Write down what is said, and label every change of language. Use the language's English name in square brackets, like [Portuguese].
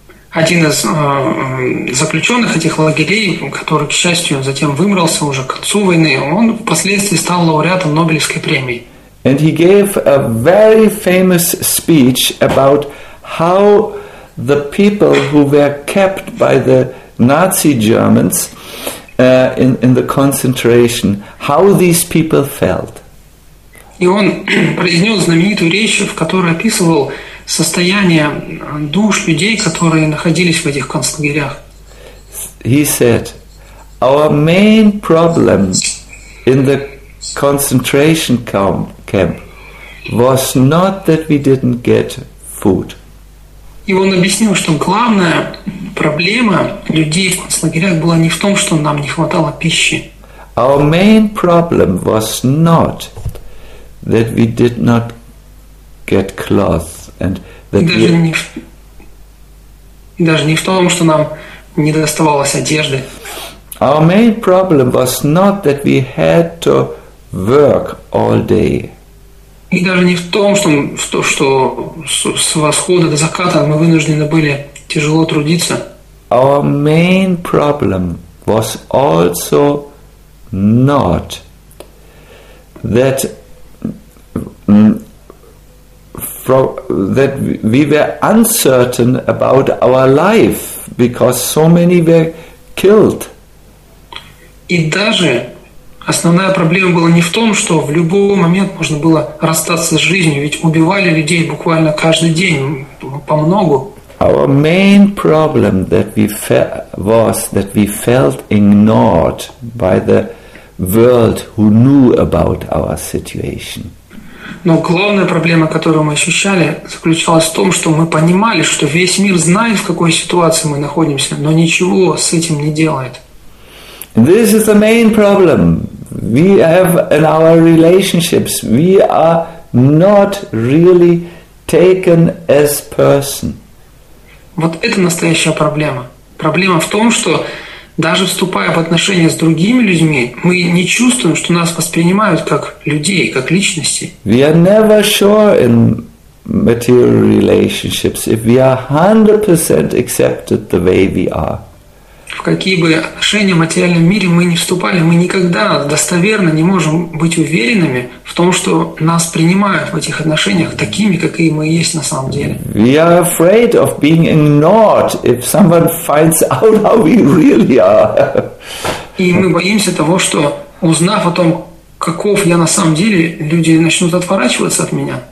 [Russian] Один из заключенных этих лагерей, который, к счастью, затем вымрался уже к концу войны, он впоследствии стал лауреатом Нобелевской премии. [English] And he gave a very famous speech about how the people who were kept by the Nazi Germans in the concentration, how these people felt. [Russian] И он произнес знаменитую речь, в которой описывал состояние душ людей, которые находились в этих концлагерях. [English] He said, our main problem in the concentration camp was not that we didn't get food. [Russian] И он объяснил, что главная проблема людей в концлагерях была не в том, что нам не хватало пищи. [English] Our main problem was not that we did not get cloth and that [Russian] даже [English] we... [Russian] не... И даже не в том, что нам не доставалось одежды. [English] Our main problem was not that we had to work all day. [Russian] И даже не в том, что с восхода до заката мы вынуждены были тяжело трудиться. [English] Our main problem was also not that that we were uncertain about our life because so many were killed. [Russian] И даже основная проблема была не в том, что в любой момент можно было расстаться с жизнью, ведь убивали людей буквально каждый день по многу. [English] Our main problem that we was that we felt ignored by the world who knew about our situation. [Russian] Но главная проблема, которую мы ощущали, заключалась в том, что мы понимали, что весь мир знает, в какой ситуации мы находимся, но ничего с этим не делает. [English] This is the main problem we have in our relationships. We are not really taken as person. [Russian] Вот это настоящая проблема. Проблема в том, что даже вступая в отношения с другими людьми, мы не чувствуем, что нас воспринимают как людей, как личности. [English] We are never sure in material relationships if we are 100% accepted the way we are. [Russian] В какие бы отношения в материальном мире мы не вступали, мы никогда достоверно не можем быть уверенными в том, что нас принимают в этих отношениях такими, какие мы есть на самом деле. [English] We are afraid of being ignored if someone finds out how we really are. [Russian] И мы боимся того, что узнав о том, каков я на самом деле, люди начнут отворачиваться от меня.